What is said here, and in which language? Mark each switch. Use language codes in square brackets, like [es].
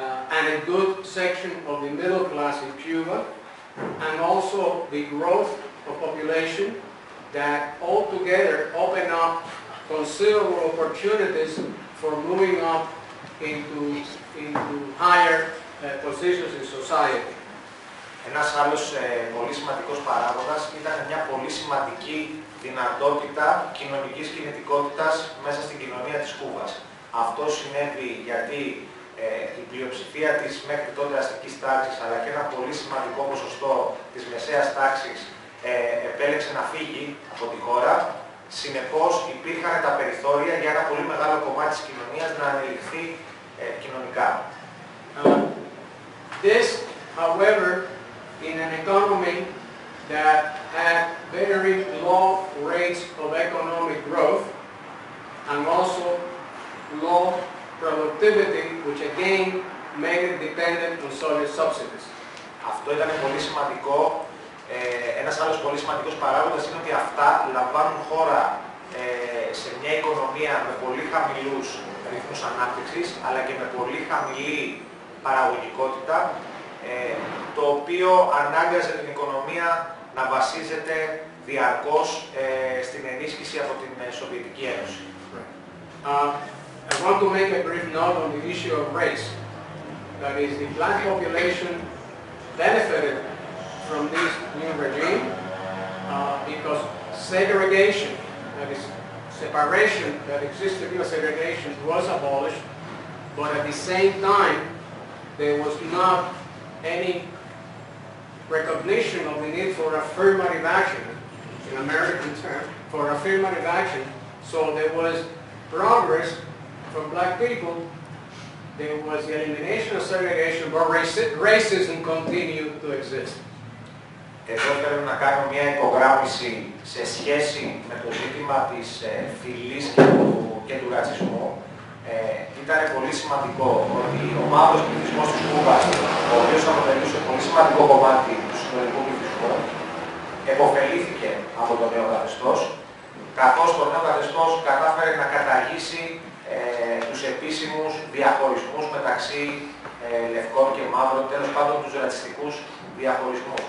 [en] and a good section of the middle class in Cuba, and also the growth of population that altogether opened up considerable opportunities for moving up into higher positions in society. [el] Ένας άλλος πολύ σημαντικός παράγοντας ήταν μια πολύ σημαντική δυνατότητα κοινωνικής κινητικότητας μέσα στην κοινωνία της Κούβας. Αυτό συνέβη γιατί η πλειοψηφία της μέχρι τότε αστικής τάξης, αλλά και ένα πολύ σημαντικό ποσοστό της μεσαίας τάξης επέλεξε να φύγει από τη χώρα. Συνεπώς υπήρχαν τα περιθώρια για ένα πολύ μεγάλο κομμάτι της κοινωνίας να ανεληφθεί κοινωνικά. [en] This, however, in an economy that had very low rates of economic growth and also low productivity, which again made it dependent on Soviet subsidies. [el] Αυτό ήταν πολύ σημαντικό. Ένας άλλος πολύ σημαντικός παράγοντας είναι ότι αυτά λαμβάνουν χώρα σε μια οικονομία με πολύ χαμηλούς ρυθμούς ανάπτυξης, αλλά και με πολύ χαμηλή παραγωγικότητα, το οποίο ανάγκαζε την οικονομία να βασίζεται διαρκώς στην ενίσχυση από την Σοβιετική Ένωση. [en] I want to make a brief note on the issue of race. That is, the black population benefited from this new regime because segregation, that is, separation that existed in segregation was abolished, but at the same time, there was not any recognition of the need for affirmative action, in American terms, for affirmative action, so there was progress from black people, there was the elimination of segregation, but racism continued to exist. [el] Εδώ θέλω να κάνω μια υπογράμμιση σε σχέση με το ζήτημα της φυλής και του ρατσισμού. Ήταν πολύ σημαντικό ότι ο μαύρος πληθυσμός της Κούβας, ο οποίος αποτελούσε πολύ σημαντικό κομμάτι του συνολικού πληθυσμού, εποφελήθηκε από τον νέο καθεστώς, καθώς το νέο καθεστώς κατάφερε να καταργήσει τους επίσημους διαχωρισμούς μεταξύ λευκών και μαύρων, τέλος πάντων τους ρατσιστικούς διαχωρισμούς.